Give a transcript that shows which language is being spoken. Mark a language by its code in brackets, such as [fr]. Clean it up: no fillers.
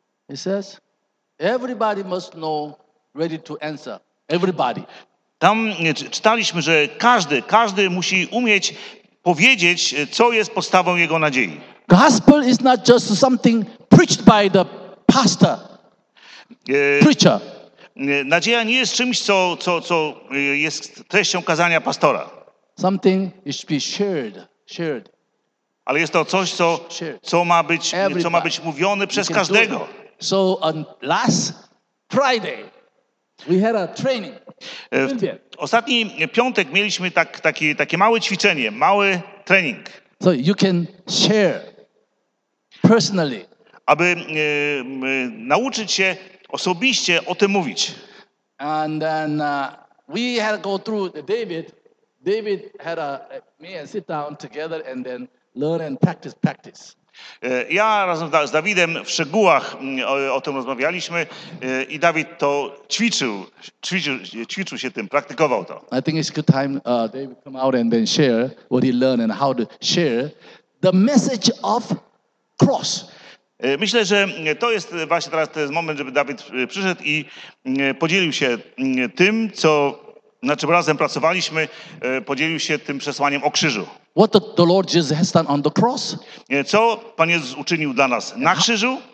[en] He says, everybody must know, ready to answer. Everybody. [pl] Tam czytaliśmy, że każdy musi umieć powiedzieć, co jest podstawą jego nadziei. [en] Gospel is not just something preached by the pastor. Preacher. [pl] Nadzieja nie jest czymś, co jest treścią kazania pastora. [en] Something is to be shared. [pl] Ale jest to coś, co ma być mówione przez każdego. [en] So on last Friday we had a training. [pl] Ostatni piątek mieliśmy takie małe ćwiczenie, mały trening. [en] So you can share personally. [pl] Aby nauczyć się osobiście o tym mówić. [en] And then we had to go through David. David had me and sit down together and then learn and practice. [pl] Ja razem z Dawidem w szczegółach o tym rozmawialiśmy i Dawid to ćwiczył się tym, praktykował to. [en] I think it's a good time David come out and then share what he learned and how to share the message of cross. [pl] Myślę, że to jest właśnie teraz ten moment, żeby Dawid przyszedł i podzielił się tym, co na czym razem pracowaliśmy, podzielił się tym przesłaniem o krzyżu. [en] What the Lord Jesus has done on the cross? [pl] Co Pan Jezus uczynił dla nas na krzyżu?